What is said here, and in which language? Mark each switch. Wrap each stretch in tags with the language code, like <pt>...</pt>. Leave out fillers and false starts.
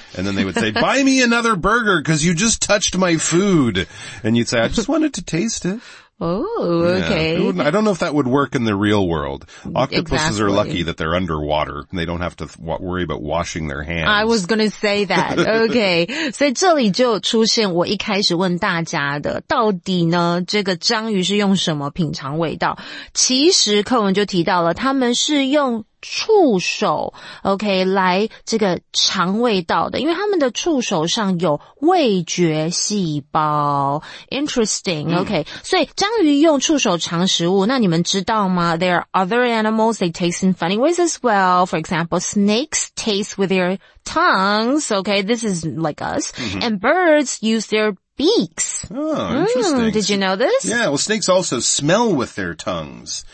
<en>And then they would say, buy me another burger because you just touched my food. And you'd say, I just wanted to taste it. Oh, okay. Yeah. I don't know if that would work in the real world. Octopuses exactly. are lucky that they're underwater. They don't have to worry about washing their hands. I was going to say that. Okay.</en> <zh>所以这里就出现我一开始问大家的，到底呢，这个章鱼是用什么品尝味道？其实课文就提到了，他们是用触手 ,OK, 来这个尝味道的，因为他们的触手上有味觉细胞。</zh> <en>Interesting, OK,、</en> <zh>嗯、所以章鱼用触手尝食物，那你们知道吗？</zh> <en>There are other animals, they taste in funny ways as well. For example, snakes taste with their tongues, OK, this is like us,、嗯、and birds use their beaks. Oh, interesting.、 Mm, did you know this? Yeah, well, snakes also smell with their tongues.、</en>